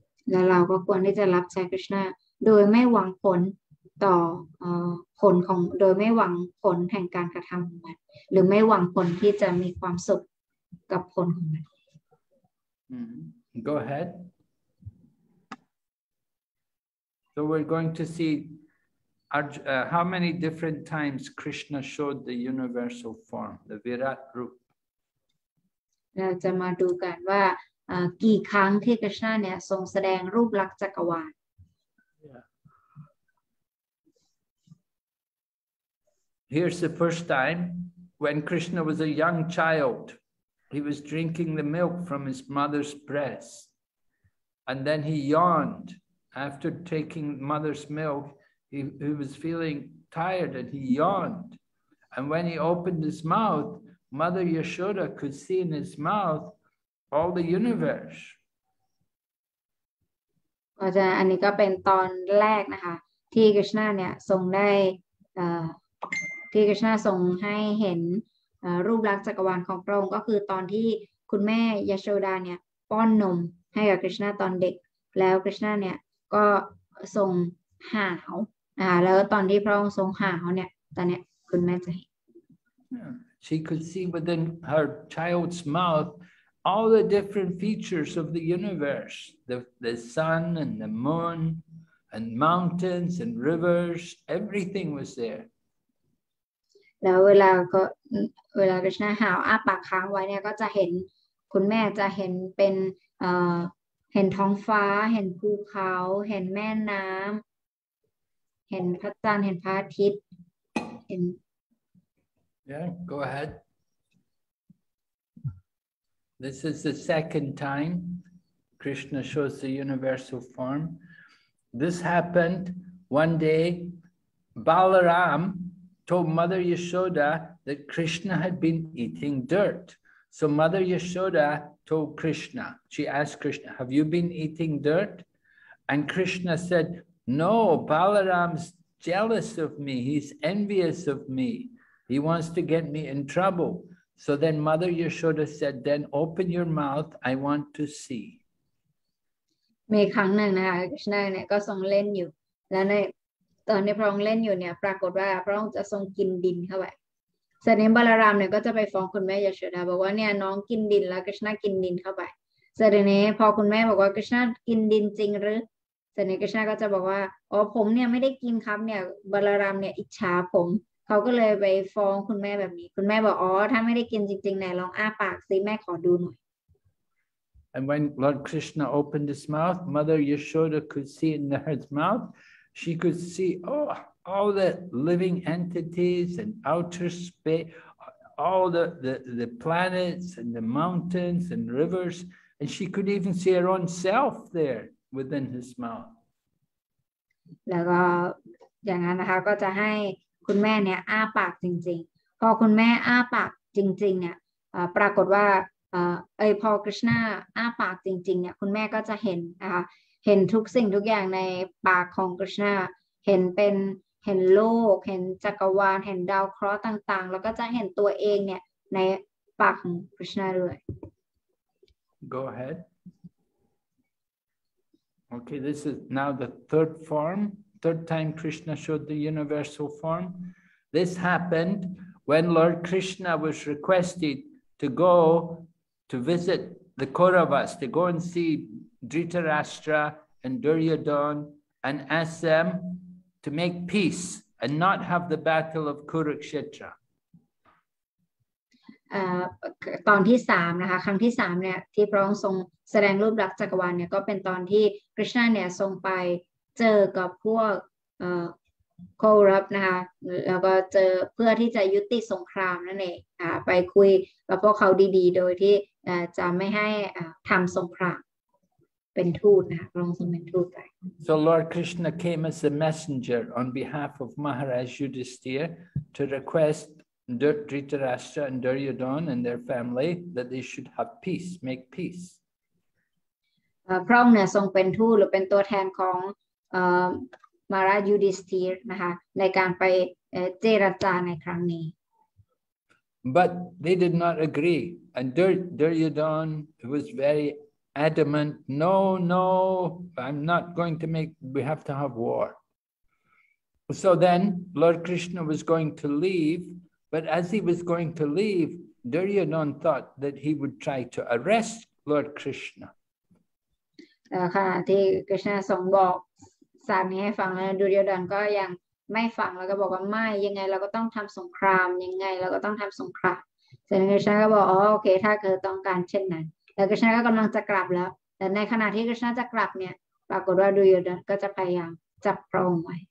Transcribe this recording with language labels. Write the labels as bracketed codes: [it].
[th] และเราก็ควรที่จะรับใช้กฤษณาโดยไม่หวังผลต่อผลของโดยไม่หวังผลแห่งการกระทำของมันหรือไม่หวังผลที่จะมีความสุขกับผลของมัน [en] Go ahead. So we're going to see how many different times Krishna showed the universal form, the Virat Rup. [th] เราจะมาดูกันว่ากี่ครั้งที่กฤษณะเนี่ยทรงแสดงรูปลักษณ์จักรวาล [en] Here's the first time when Krishna was a young child. He was drinking the milk from his mother's breast. And then he yawned. After taking mother's milk, he was feeling tired and he yawned. And when he opened his mouth, Mother Yashoda could see in his mouth all the universe. [th] อันนี้ก็เป็นตอนแรกนะคะที่กฤษณะเนี่ยทรงได้ที่กฤษณะทรงให้เห็นรูปลักษณ์จักรวาลของพระองค์ก็คือตอนที่คุณแม่ยโชดาเนี่ยป้อนนมให้กับกฤษณะตอนเด็กแล้วกฤษณะเนี่ยก็ทรงหาวแล้วตอนที่พระองค์ทรงหาวเนี่ยตอนเนี้ยคุณแม่จะเห็น [en] She could see within her child's mouth all the different features of the universe the sun and the moon and mountains and rivers everything was there [th] แล้วเวลาคริชนาหาวอ้าปากค้างไว้เนี่ยก็จะเห็นคุณแม่จะเห็นเป็นเห็นท้องฟ้าเห็นภูเขาเห็นแม่น้ำเห็นพระจันทร์เห็นพระอาทิตย์เห็น [en] Yeah go ahead This is the second time Krishna shows the universal form This happened one day Balaram told Mother Yashoda that Krishna had been eating dirt. So Mother Yashoda told Krishna, she asked Krishna, have you been eating dirt? And Krishna said, no, Balaram's jealous of me. He's envious of me. He wants to get me in trouble. So then Mother Yashoda said, then open your mouth. I want to see. [th] มีครั้งหนึ่งนะคะ Krishna เนี่ยก็ทรงเล่นอยู่แล้วในตอนที่พระองค์เล่นอยู่เนี่ยปรากฏว่าพระองค์จะทรงกินดินเข้าไปเสร็จนั้นบาลารามเนี่ยก็จะไปฟ้องคุณแม่ยโสดาบอกว่าเนี่ยน้องกินดินแล้วกฤษณะกินดินเข้าไปเสร็จนี้พอคุณแม่บอกว่ากฤษณะกินดินจริงหรือเสร็จนี้กฤษณะก็จะบอกว่าอ๋อผมเนี่ยไม่ได้กินครับเนี่ยบาลารามเนี่ยอิจฉาผมเขาก็เลยไปฟ้องคุณแม่แบบนี้คุณแม่บอกอ๋อถ้าไม่ได้กินจริงๆไหนลองอ้าปากซิแม่ขอดูหน่อย [en] And when Lord Krishna opened his mouth Mother Yashoda could see in his mouthShe could see all the living entities and outer space, all the planets and the mountains and rivers, and she could even see her own self there within his mouth. [th] แล้วก็อย่างนั้นนะคะก็จะให้คุณแม่เนี่ยอ้าปากจริงๆพอคุณแม่อ้าปากจริงๆเนี่ยปรากฏว่าพอกฤษณาอ้าปากจริงๆเนี่ยคุณแม่ก็จะเห็นนะคะเห็นทุกสิ่งทุกอย่างในปากของกฤษณะเห็นเป็น เห็นโลกเห็นจักรวาลเห็นดาวเคราะห์ต่างๆแล้วก็จะเห็นตัวเองเนี่ยในปากของคริชนาด้วย [en] Go ahead. Okay, this is now the third form. Third time Krishna showed the universal form. This happened when Lord Krishna was requested to go to visit the Kauravas, to go and see Dhritarashtra and Duryodhan and ask them to make peace and not have the battle of Kurukshetra. [th] ตอนที่3นะคะครั้งที่3เนี่ยที่พระองค์ทรงแสดงรูปลักษณ์จักรวาลเนี่ยก็เป็นตอนที่คริชนาเนี่ยทรงไปเจอกับพวกโครับนะคะแล้วก็เจอเพื่อที่จะยุติสงครามนั่นเองไปคุยกับพวกเขาดีๆโดยที่จะไม่ให้ทำสงครามเป็นทูตนะคะพระองค์ทรงเป็นทูตไป [en] So Lord Krishna came as a messenger on behalf of Maharaj Yudhisthira to requestDhritarashtra and Duryodhan and their family that they should have peace, make peace. [th] พระองค์เนี่ยทรงเป็นทูตหรือเป็นตัวแทนของมาราจูดิสทีร์นะคะในการไปเจรจาในครั้งนี้ [en] But they did not agree, and Duryodhan was very adamant. No, no, I'm not going to make. We have to have war. So then Lord Krishna was going to leave. But as he was going to leave, Duryodhan thought that he would try to arrest Lord Krishna. [th] ขณะที่ Krishna ทรงบอกสารนี้ให้ฟังแล้ว Duryodhan ก็ยังไม่ฟังแล้วก็บอกว่าไม่ยังไงเราก็ต้องทำสงครามยังไงเราก็ต้องทำสงครามเสร็จ Krishna ก็บอกอ๋อโอเคถ้าเธอต้องการเช่นนั้นแล้ว Krishna ก็กำลังจะกลับแล้วแต่ในขณะที่ Krishna จะกลับเนี่ยปรากฏว่า Duryodhan ก็จะพยายามจับพระองค์ไว